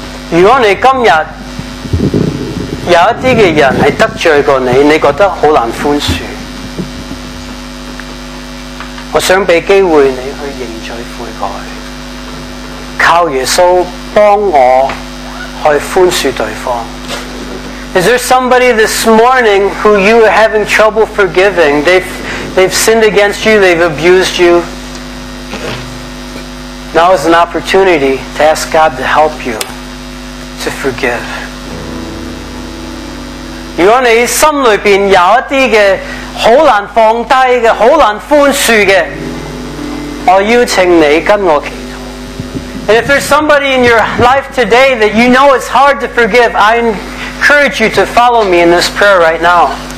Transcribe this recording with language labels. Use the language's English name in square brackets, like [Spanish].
[Chinese] 如果你今天有一些人是得罪过你，你觉得很难宽恕，我想给机会你去认罪悔改，靠耶稣帮我去宽恕对方。 [English] Is there somebody this morning who you are having trouble forgiving? They've sinned against you, they've abused you. Now is an opportunity to ask God to help you to forgive. [Chinese] 如果你心里边有一些嘅好难放低的，好难宽恕的，我邀请你跟我祈祷。 [English] And if there's somebody in your life today that you know it's hard to forgive, I encourage you to follow me in this prayer right now.